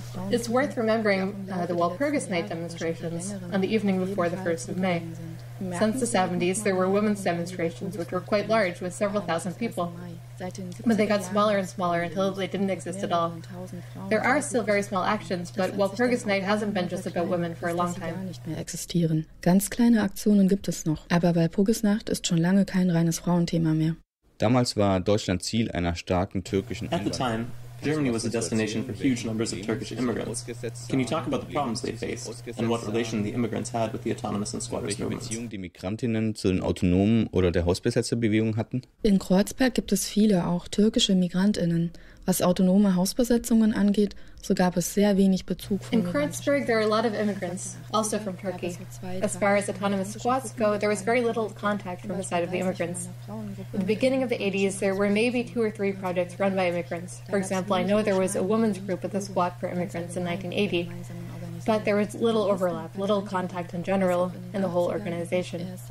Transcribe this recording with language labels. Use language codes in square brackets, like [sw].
[en] It's worth remembering the Walpurgis night demonstrations on the evening before the 1st of May. Since the 70s, there were women's demonstrations which were quite large with several thousand people. But they got smaller and smaller until they didn't exist at all. There are still very small actions, but Walpurgis Night hasn't been just about women for a long time. [de] Ganz kleine Aktionen gibt es noch, aber Walpurgisnacht ist schon lange kein reines Frauenthema mehr. Damals war Deutschland Ziel einer starken türkischen Einwanderung. [en] Germany was a destination for huge numbers of Turkish immigrants. Can you talk about the problems they faced and what relation the immigrants had with the autonomous and squatters movements? [de] Welche Beziehung die Migrantinnen zu den Autonomen oder der Hausbesetzerbewegung hatten? In Kreuzberg gibt es viele, auch türkische Migrantinnen. Was autonome Hausbesetzungen angeht, so gab es sehr wenig Bezug von [en] In Kreuzberg there are a lot of immigrants, also from Turkey. As far as autonomous squats go, there was very little contact from the side of the immigrants. In the beginning of the 80s, there were maybe two or three projects run by immigrants. For example, I know there was a women's group with a squat for immigrants in 1980. But there was little overlap, little contact in general in the whole organization.